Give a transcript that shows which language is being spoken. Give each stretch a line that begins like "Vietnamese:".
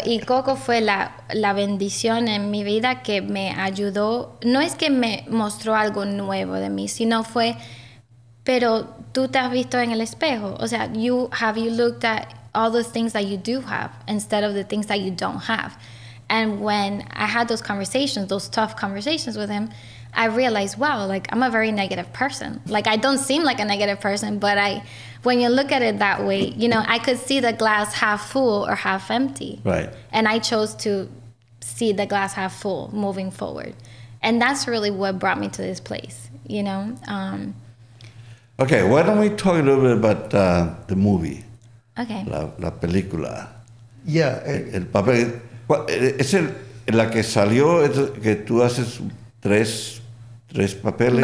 Spanish: Y Coco fue la bendición en mi vida que me ayudó. No es que me mostró algo nuevo de mí, sino fue, pero tú te has visto en el espejo. O sea,
English: have you looked at all the things that you do have instead of the things that you don't have? And when I had those conversations, those tough conversations with him, I realized, wow, like I'm a very negative person. Like I don't seem like a negative person, but when you look at it that way, you know, I could see the glass half full or half empty. Right. And I chose to see the glass half full moving forward. And that's really what brought me to this place, you know? Okay, why don't we talk a little bit about the movie? Okay.
Spanish: La película.
English: Yeah.
Spanish: El papel. Es la que salió, es que tú haces tres papeles.